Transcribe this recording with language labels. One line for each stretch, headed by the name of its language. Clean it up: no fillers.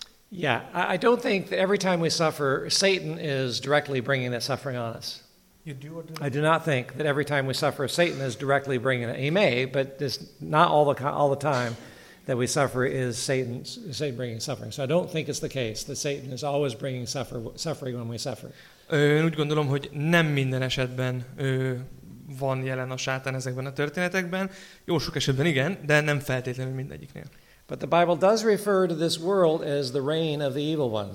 English: Yeah, I don't think that every time we suffer, Satan is directly bringing that suffering on us. You do or do not? I do not think that every time we suffer, Satan is directly bringing it. He may, but this not all the time that we suffer is Satan bringing suffering. So I don't think it's the case that Satan is always bringing suffering when we suffer.
Hungarian: Én úgy gondolom, hogy nem minden esetben van jelen a sátán ezekben a történetekben. Jó sok esetben igen, de nem feltétlenül mindegyiknél.
English: But the Bible does refer to this world as the reign of the evil one.